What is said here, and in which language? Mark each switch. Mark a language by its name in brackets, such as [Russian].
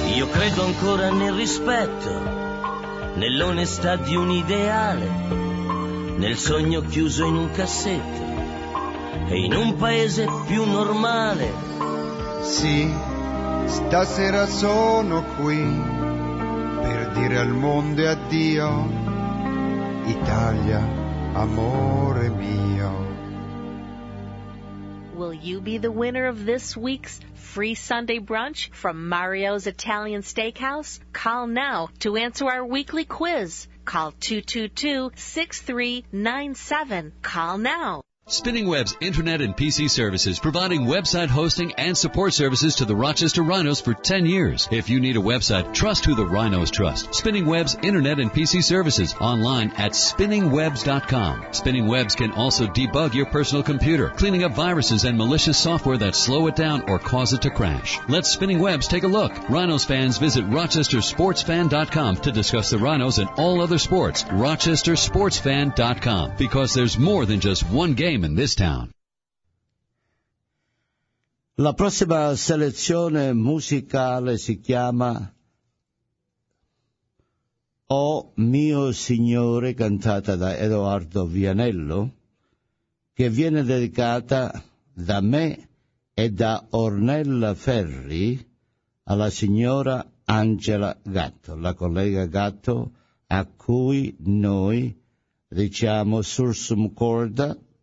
[Italian] Credo ancora nel rispetto, nell'onestà di un ideale, nel sogno chiuso in un cassetto e in un paese più normale. Sì, stasera sono qui per dire al mondo addio, Italia, amore mio. [English] Will you be the winner of this week's free Sunday brunch from Mario's Italian Steakhouse? Call now to answer our weekly quiz. Call 222-6397. Call now. Spinning Web's internet and PC services, providing website hosting and support services to the Rochester Rhinos for 10 years. If you need a website, trust who the Rhinos trust. Spinning Web's internet and PC services, online at spinningwebs.com. Spinning Web's can also debug your personal computer, cleaning up viruses and malicious software that slow it down or cause it to crash. Let Spinning Web's take a look. Rhinos fans, visit rochestersportsfan.com to discuss the Rhinos and all other sports. rochestersportsfan.com, because there's more than just one game in this town. [Italian] La prossima selezione musicale si chiama O mio Signore, cantata da Edoardo Vianello, che viene dedicata da me e da Ornella Ferri alla signora Angela Gatto, la collega Gatto, a cui noi diciamo [Latin] sursum corda.